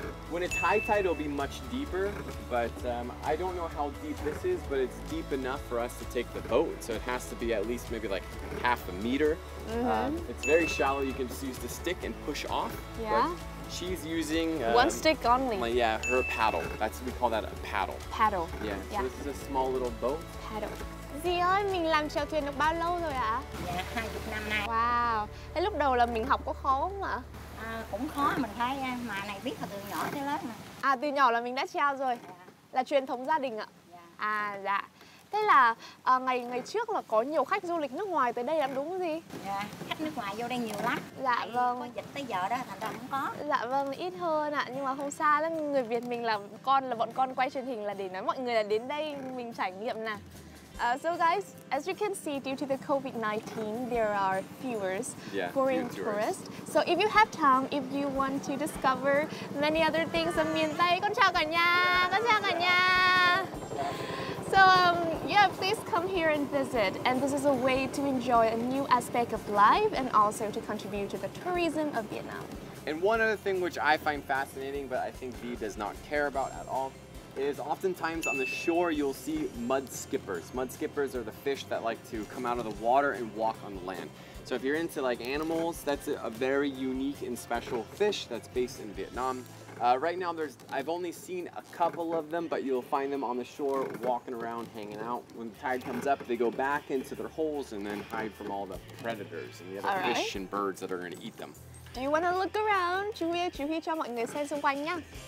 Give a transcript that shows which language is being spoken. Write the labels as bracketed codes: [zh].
[en] When it's high tide, it'll be much deeper, but I don't know how deep this is, but it's deep enough for us to take the boat, so it has to be at least maybe like half a meter. Mm-hmm. It's very shallow, you can just use the stick and push off. Yeah. She's using one stick only. Like, yeah, her paddle. That's, we call that a paddle. Paddle. Yeah, yeah. So this is a small little boat. Paddle. [vi] Dì ơi, mình làm chèo thuyền được bao lâu rồi ạ? Dạ, 20 năm nay. Wow. Thế lúc đầu là mình học có khó không ạ? Cũng khó, mình thấy mà này biết là từ nhỏ tới lớn mà. Từ nhỏ là mình đã chèo rồi. Dạ. Là truyền thống gia đình ạ. Dạ. Dạ. Thế là ngày trước là có nhiều khách du lịch nước ngoài tới đây lắm đúng không dì? Dạ, khách nước ngoài vô đây nhiều lắm. Dạ vâng. Có dịch tới giờ đó thành ra không có. Dạ vâng, ít hơn ạ. Nhưng mà không xa lắm, người Việt mình là con, là bọn con quay truyền hình là để nói mọi người là đến đây mình trải nghiệm nè. [en] So guys, as you can see, due to the COVID-19, there are fewer tourists. So if you have time, if you want to discover many other things in miền Tây, [vi] con chào cả nhà, con chào cả nhà. [en] So yeah, please come here and visit. And this is a way to enjoy a new aspect of life and also to contribute to the tourism of Vietnam. And one other thing which I find fascinating, but I think V does not care about at all, is oftentimes on the shore you'll see mud skippers. Mud skippers are the fish that like to come out of the water and walk on the land. So if you're into like animals, that's a very unique and special fish that's based in Vietnam. Right now I've only seen a couple of them, but you'll find them on the shore walking around, hanging out. When the tide comes up, they go back into their holes and then hide from all the predators and the other fish and birds that are gonna eat them. Do you wanna look around? [vi] Chú ý cho mọi người xem xung quanh nha.